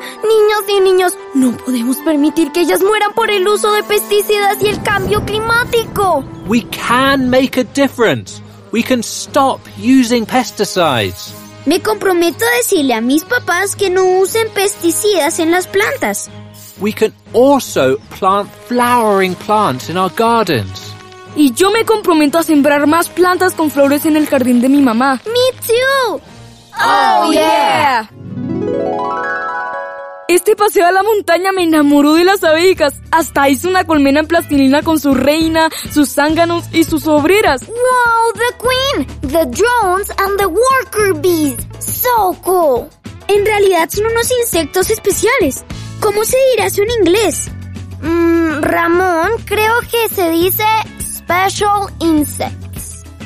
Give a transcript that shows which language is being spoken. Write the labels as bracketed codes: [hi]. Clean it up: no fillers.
[es] Niños y niñas, no podemos permitir que ellas mueran por el uso de pesticidas y el cambio climático. [en] We can make a difference. We can stop using pesticides. [es] Me comprometo a decirle a mis papás que no usen pesticidas en las plantas. [en] We can also plant flowering plants in our gardens. [es] Y yo me comprometo a sembrar más plantas con flores en el jardín de mi mamá. [en] Me too. Oh yeah. [es] Este paseo a la montaña me enamoró de las abejas. Hasta hice una colmena en plastilina con su reina, sus zánganos y sus obreras. [en] Wow, the queen, the drones and the worker bees. So cool. [es] En realidad son unos insectos especiales. ¿Cómo se dirá eso en inglés? Ramón, creo que se dice [en] special insects.